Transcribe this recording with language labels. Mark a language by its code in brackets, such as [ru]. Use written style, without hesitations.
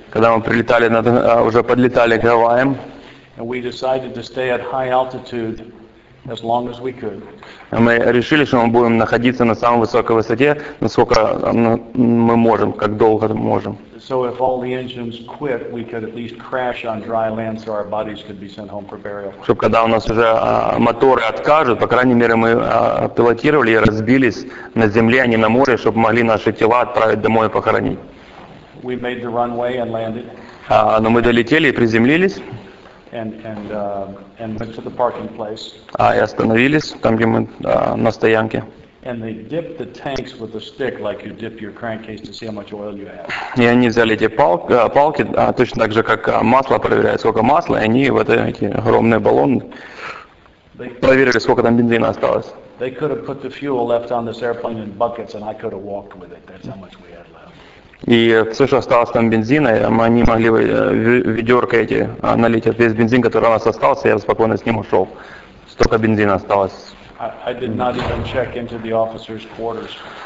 [ru] когда мы прилетали уже подлетали к Гавайям, [en] and we decided to stay at high altitude as long as we could. [ru] Мы решили, что мы будем находиться на самой высокой высоте, насколько мы можем, как долго мы можем. [en] So if all the engines quit, we could at least crash on dry land, so our bodies could be sent home for burial. [ru] Чтобы когда у нас уже моторы откажут, по крайней мере мы пилотировали и разбились на земле, а не на море, чтобы могли наши тела отправить домой и похоронить. [en] We made the runway and landed. [ru] Но мы долетели и приземлились. [en] And went to the parking place. [ru] И остановились там, где мы на стоянке. [en] And they dipped the tanks with a stick, like you dip your crankcase to see how much oil you have. [ru] И они взяли эти палки точно так же, как масло проверяют, сколько масла, и они вот эти огромные баллоны проверили, сколько там бензина осталось. [en] They could have put the fuel left on this airplane in buckets, and I could have walked with it. That's how much we had left. [ru] И все, что осталось там бензина, они могли бы ведерко эти налить весь бензин, который у нас остался, я спокойно с ним ушел. Столько бензина осталось. [en] I did not even check into the officers' quarters.